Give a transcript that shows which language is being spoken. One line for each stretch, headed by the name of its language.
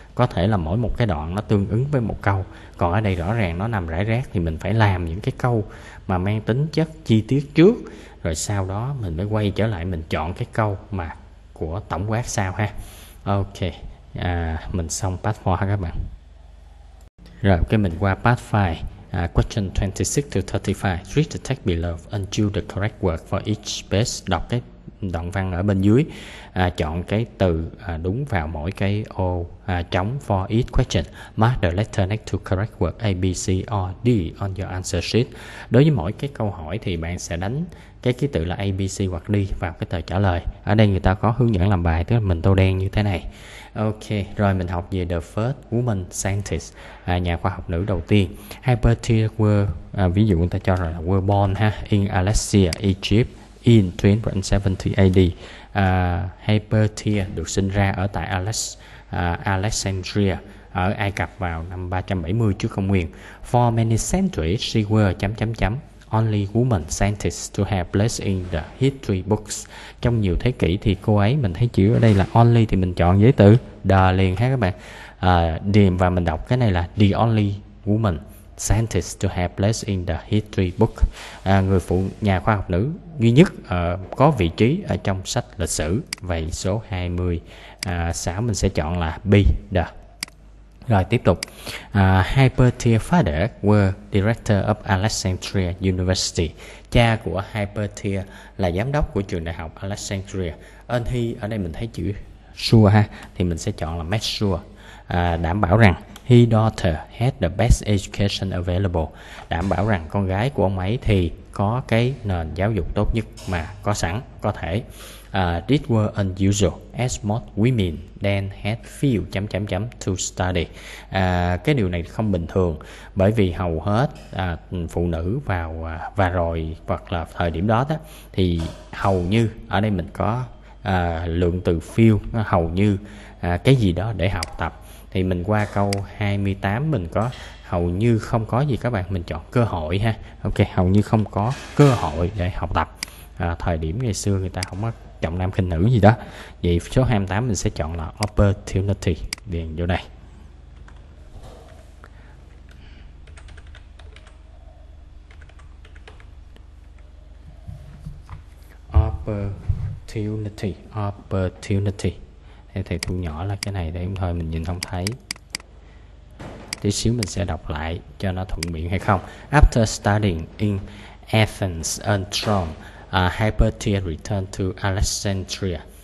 Vietnamese: Có thể là mỗi một cái đoạn nó tương ứng với một câu. Còn ở đây rõ ràng nó nằm rải rác thì mình phải làm những cái câu mà mang tính chất chi tiết trước. Rồi sau đó mình mới quay trở lại mình chọn cái câu mà của tổng quát sau ha. Ok, mình xong part 4 ha các bạn. Rồi ok, mình qua part 5.
English: Question 26 to 35. Read the text below and choose the correct word for each space.
Vietnamese: Đọc cái đoạn văn ở bên dưới, chọn cái từ đúng vào mỗi cái ô trống
English: for each question. Mark the letter next to correct word A, B, C, or D on your answer sheet.
Vietnamese: Đối với mỗi cái câu hỏi thì bạn sẽ đánh cái ký tự là A, B, C hoặc D vào cái tờ trả lời. Ở đây người ta có hướng dẫn làm bài, tức là mình tô đen như thế này. Ok, rồi mình học về
English: the first woman scientist,
Vietnamese: nhà khoa học nữ đầu tiên. Hypatia were, ví dụ người ta cho rằng là
English: were born
Vietnamese: ha,
English: in Alexandria, Egypt in 2070 AD.
Vietnamese: Hypatia được sinh ra ở tại Alexandria ở Ai Cập vào năm 370 trước công nguyên.
English: For many centuries she were... only woman scientist to have placed in the history books.
Vietnamese: Trong nhiều thế kỷ thì cô ấy, mình thấy chữ ở đây là only thì mình chọn giới từ the liền ha các bạn. Điềm và mình đọc cái này là
English: the only woman scientist to have place in the history book.
Vietnamese: Người phụ nhà khoa học nữ duy nhất có vị trí ở trong sách lịch sử. Vậy số 20, 6 mình sẽ chọn là B. Rồi tiếp tục.
English: Hypatia's father were director of Alexandria University.
Vietnamese: Cha của Hypatia là giám đốc của trường đại học Alexandria.
English: And he,
Vietnamese: ở đây mình thấy chữ sure ha, thì mình sẽ chọn là
English: make sure.
Vietnamese: Đảm bảo rằng
English: his daughter had the best education available.
Vietnamese: Đảm bảo rằng con gái của ông ấy thì có cái nền giáo dục tốt nhất mà có sẵn, có thể.
English: This was unusual as most women then had few to study.
Vietnamese: Cái điều này không bình thường bởi vì hầu hết phụ nữ vào và rồi hoặc là thời điểm đó, thì hầu như ở đây mình có lượng từ few, hầu như cái gì đó để học tập. Thì mình qua câu 28 mình có hầu như không có gì các bạn, mình chọn cơ hội ha. Ok, hầu như không có cơ hội để học tập. Thời điểm ngày xưa người ta không có trọng nam khinh nữ gì đó. Vậy số 28 mình sẽ chọn là opportunity, điền vô đây. Opportunity, opportunity. Thầy thu nhỏ là cái này để em thôi mình nhìn không thấy. Tí xíu mình sẽ đọc lại cho nó thuận miệng hay không.
English: After studying in Athens and Rome, Hypatia returned to Alexandria.